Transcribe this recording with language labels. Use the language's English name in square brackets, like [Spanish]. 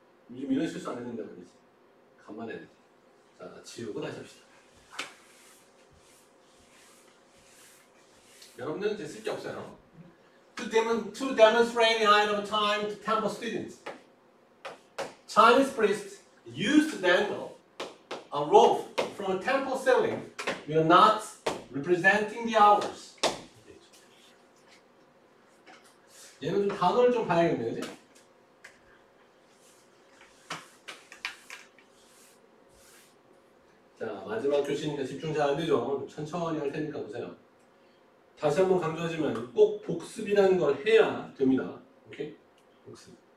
[Korean] 요즘 이런 실수 안 했는데 말이지. 간만에. 자, 지우고 다시 합시다. 여러분들은 이제 쓸 게 없어요. [English] To demonstrate the idea of time to temple students, Chinese priests used to dangle a rope from a temple ceiling with knots representing the hours. [Korean] 얘는 좀 단어를 좀 봐야겠네요, 이제. 마지막 교신인데 집중 잘 안 되죠? 천천히 할 테니까 보세요. 다시 한번 강조하지만 꼭 복습이라는 걸 해야 됩니다. 오케이? 복습.